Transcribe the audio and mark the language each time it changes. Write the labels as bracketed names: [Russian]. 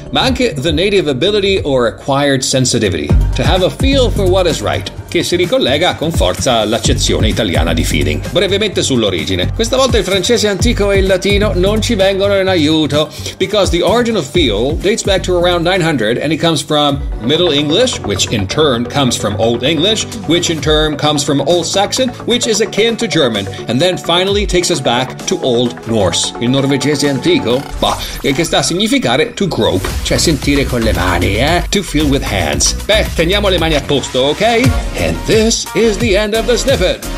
[Italian] Ma anche [English] the native ability or acquired sensitivity. To have a feel for what is right. [Italian] Che si ricollega con forza all'accezione italiana di feeling. Brevemente sull'origine. Questa volta il francese antico e il latino non ci vengono in aiuto. [English] Because the origin of feel dates back to around 900 and it comes from Middle English, which in turn comes from Old English, which in turn comes from Old Saxon, which is akin to German, and then finally takes us back to Old Norse. [Italian] Il norvegese antico, bah, che sta a significare [English] to grope, [Italian] cioè sentire con le mani, eh? [English] To feel with hands. [Italian] Beh, teniamo le mani a posto, ok? [English] And this is the end of the snippet.